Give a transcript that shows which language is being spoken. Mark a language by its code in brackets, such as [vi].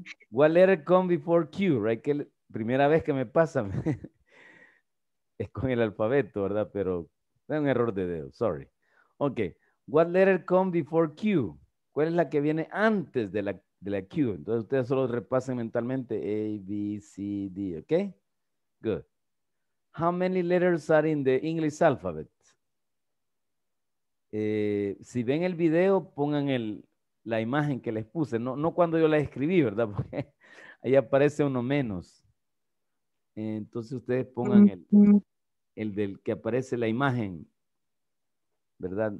[en] What letter come before Q, right? [es] Que primera vez que me pasa es con el alfabeto, ¿verdad? Pero es un error de dedo, [en] sorry. Okay. What letter come before Q? [es] ¿Cuál es la que viene antes de la Q? Entonces ustedes solo repasen mentalmente A, B, C, D, ¿ok? [en] Good. How many letters are in the English alphabet? [es] Si ven el video, pongan la imagen que les puse. No, no cuando yo la escribí, ¿verdad? Porque ahí aparece uno menos. Entonces ustedes pongan el del que aparece la imagen, ¿verdad?